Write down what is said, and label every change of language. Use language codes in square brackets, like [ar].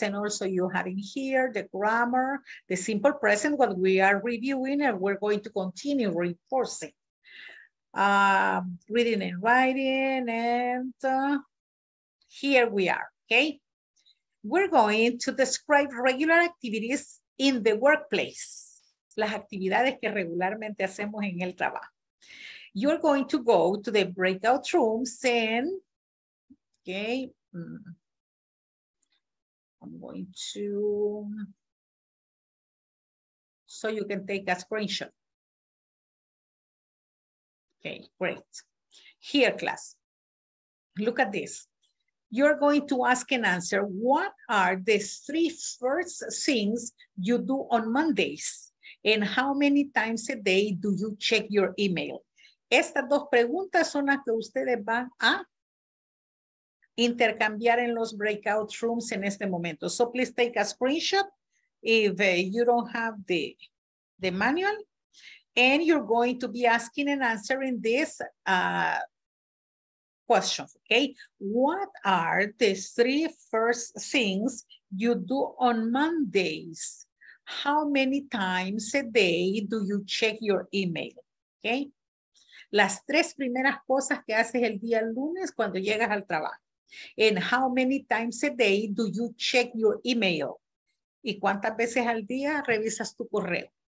[en] And also you have in here the grammar, the simple present, what we are reviewing, and we're going to continue reinforcing. Reading and writing, and here we are, okay? We're going to describe regular activities in the workplace. [es] Las actividades que regularmente hacemos en el trabajo. [en] You're going to go to the breakout rooms and, okay, I'm going to, so you can take a screenshot. Okay, great. Here, class, look at this. You're going to ask and answer, what are the three first things you do on Mondays? And how many times a day do you check your email? [es] Estas dos preguntas son las que ustedes van a intercambiar en los breakout rooms en este momento. [en] So please take a screenshot if you don't have the manual. And you're going to be asking and answering these questions, okay? What are the three first things you do on Mondays? How many times a day do you check your email? Okay. [es] Las tres primeras cosas que haces el día lunes cuando llegas al trabajo. [en] And how many times a day do you check your email? [es] Y cuántas veces al día revisas tu correo?